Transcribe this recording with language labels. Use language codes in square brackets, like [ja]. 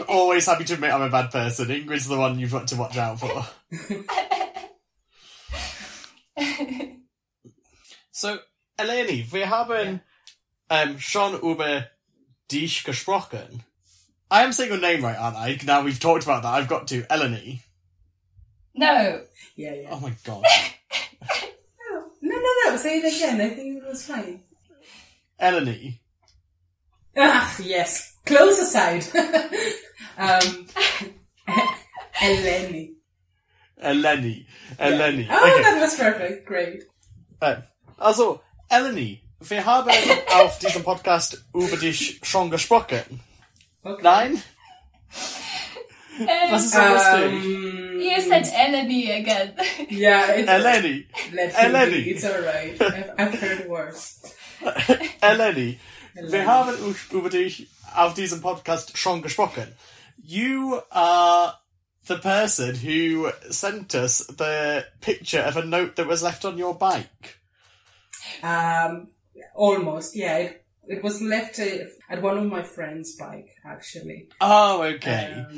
[en] I'm always happy to admit I'm a bad person. Ingrid's the one you've got to watch out for. [de] So, Eleni, wir haben schon über dich gesprochen. [en] I am saying your name right, aren't I? Now we've talked about that, I've got to. Eleni. No. Yeah. Oh my god. No, say it again. I think it was fine. Eleni. Ah, yes. Close aside. Eleni. Eleni. Eleni. Yeah. Oh, okay. That was perfect. Great. [de] Also, Eleni, wir haben auf diesem Podcast über dich schon gesprochen. Okay. Nein? Was ist das denn? [en] You said Eleni again. Yeah, it's... Eleni. Eleni. It's alright. I've heard worse. [de] Eleni, wir haben über dich auf diesem Podcast schon gesprochen. [en] You are the person who sent us the picture of a note that was left on your bike. Almost, yeah. It was left at one of my friend's bike, actually. Oh, okay.